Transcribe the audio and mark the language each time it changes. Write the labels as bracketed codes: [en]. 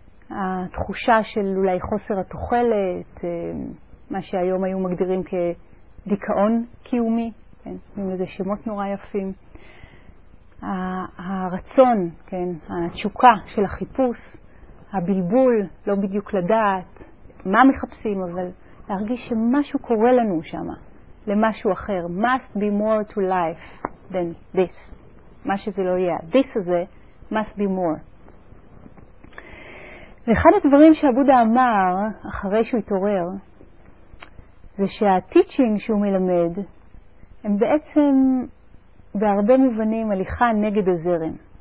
[he] התחושה של אולי חוסר התוחלת, מה שהיום היו מגדירים כדיכאון קיומי, כן? עם איזה שמות נורא יפים. הרצון, כן? התשוקה של החיפוש. הבלבול, לא בדיוק לדעת מה מחפשים, אבל להרגיש שמשהו קורה לנו שם, למשהו אחר. [en] Must be more to life than this. [he] מה שזה לא יהיה. [en] This הזה, must be more. [he] ואחד הדברים שהבודה אמר אחרי שהוא התעורר, זה שהטיצ'ינג שהוא מלמד, הם בעצם בהרבה מובנים הליכה נגד הזרם.